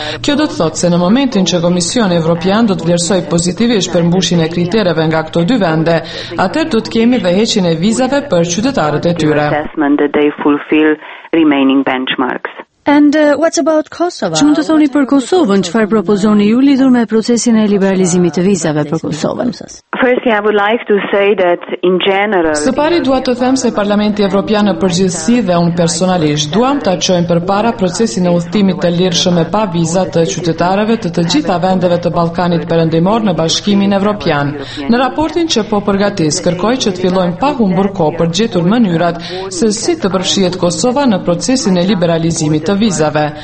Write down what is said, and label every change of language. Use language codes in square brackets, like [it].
[sq] Kjo do të thotë se në momentin që Komisioni Evropian do të vlerësoj pozitivisht për mbushjen e kritereve nga këto dy vende, atëherë do të kemi dhe heqjen e vizave për qytetarët e tyre. [en] And what's about Kosovo? [sq] Çfarë do thoni për Kosovën? Çfarë propozoni ju lidhur me procesin e liberalizimit të vizave për Kosovën? [en] First, I would like to say that in general. [sq] Së pari dua të them se Parlamenti Evropian në përgjithësi dhe unë personalisht duam ta çojmë përpara procesin e udhëtimit të lirshëm me pa vizat të qytetarëve të gjitha vendeve të Ballkanit Perëndimor në Bashkimin Evropian. Në raportin që po përgatis, kërkoj që të fillojmë pa humbur kohë për gjetur mënyrat se si të përfshihet Kosova në procesin e liberalizimit të vizave.